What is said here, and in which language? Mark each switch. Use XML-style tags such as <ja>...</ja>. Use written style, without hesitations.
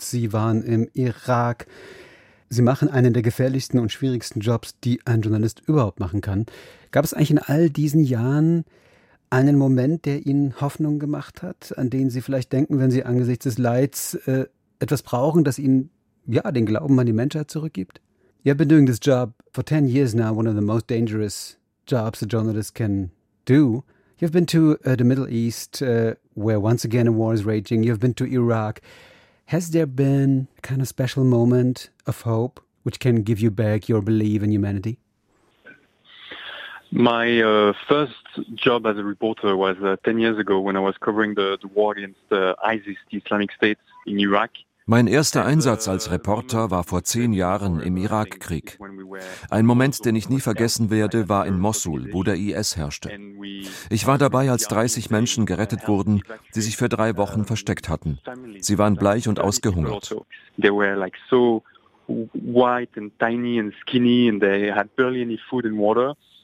<de>Sie waren im Irak. Sie machen einen der gefährlichsten und schwierigsten Jobs, die ein Journalist überhaupt machen kann. Gab es eigentlich in all diesen Jahren einen Moment, der Ihnen Hoffnung gemacht hat, an den Sie vielleicht denken, wenn Sie angesichts des Leids etwas brauchen, das Ihnen ja den Glauben an die Menschheit zurückgibt?</de> <en>You've been doing this job for 10 years now, one of the most dangerous jobs a journalist can do. You've been to the Middle East, where once again a war is raging. You've been to Iraq. Has there been a kind of special moment of hope which can give you back your belief in humanity? My first job as a reporter was 10 years ago when I was covering the war against ISIS, the Islamic State in Iraq.</en> <de>Mein erster Einsatz als Reporter war vor 10 Jahren im Irakkrieg. Ein Moment, den ich nie vergessen werde, war in Mosul, wo der IS herrschte. Ich war dabei, als 30 Menschen gerettet wurden, die sich für 3 Wochen versteckt hatten. Sie waren bleich und ausgehungert.</de> <en>They were like so white and tiny and skinny and they had barely any food and water.</en>